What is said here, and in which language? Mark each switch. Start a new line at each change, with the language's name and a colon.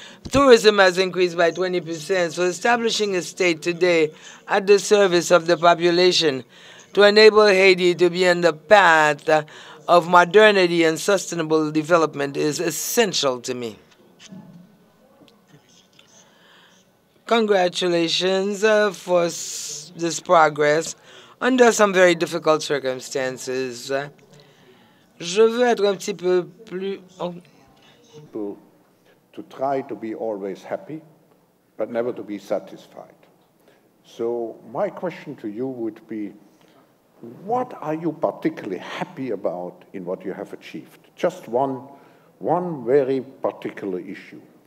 English: Tourism has increased by 20%. So establishing a state today at the service of the population to enable Haiti to be on the path of modernity and sustainable development is essential to me. Congratulations for this progress under some very difficult circumstances.
French: Je veux être un petit peu plus... Oh.
English: To try to be always happy, but never to be satisfied. So my question to you would be, what are you particularly happy about in what you have achieved? Just one very particular issue.